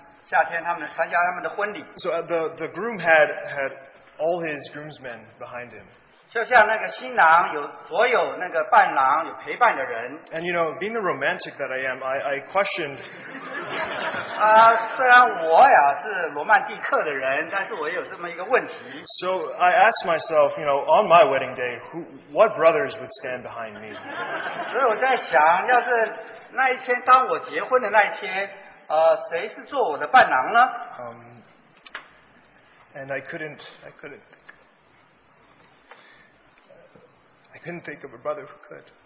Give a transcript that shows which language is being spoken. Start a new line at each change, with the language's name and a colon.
Chinese: 譬如在参加那个老弟兄的女儿他们夏天他们参加他们的婚礼。So
English: the groom had all his groomsmen behind him.
Chinese: 就像那个新郎有所有那个伴郎有陪伴的人。And
English: you know, being the romantic that I am, I questioned.
Chinese: 虽然我呀是罗曼蒂克的人，但是我也有这么一个问题。So
English: I asked myself, you know, on my wedding day, what brothers would stand behind me?
Chinese: 所以我在想，要是那一天当我结婚的那一天，谁是做我的伴郎呢？
English: And I couldn't. I couldn't think of a brother who could.